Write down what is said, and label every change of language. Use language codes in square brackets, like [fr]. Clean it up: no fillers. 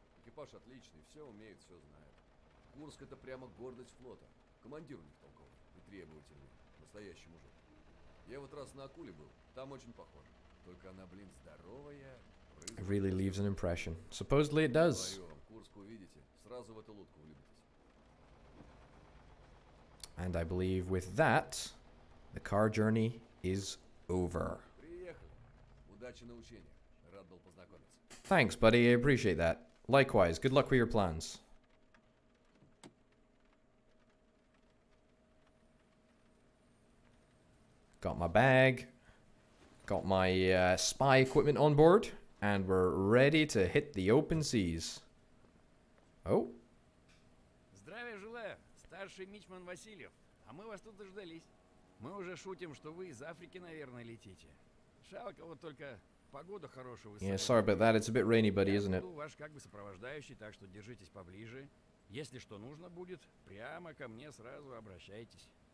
[ru] Экипаж отличный, все умеют, все знают. Курск — это прямо гордость флота. Командир у них толковый и требовательный. Настоящий мужик. Я вот раз на Акуле был, там очень похоже. Только она, блин, здоровая. [en] It really leaves an impression. Supposedly it does. [ru] Курск увидите, сразу в эту лодку влюбитесь. [en] And I believe with that, the car journey is over. [ru] Приехали. Удачи на учениях. Рад был познакомиться. [en] Thanks, buddy. I appreciate that. Likewise. Good luck with your plans. Got my bag, got my spy equipment on board, and we're ready to hit the open seas. Oh. [ru] Здравия желаю, старший мичман Васильев. А мы вас тут дождались. Мы уже шутим, что вы из Африки, наверное, летите. Жалко вот только погода хорошая. [en] Yeah, sorry about that. It's a bit rainy, buddy, isn't it? [ru] Я буду ваш как бы сопровождающий, так что держитесь поближе. Если что нужно будет, прямо ко мне сразу обращайтесь.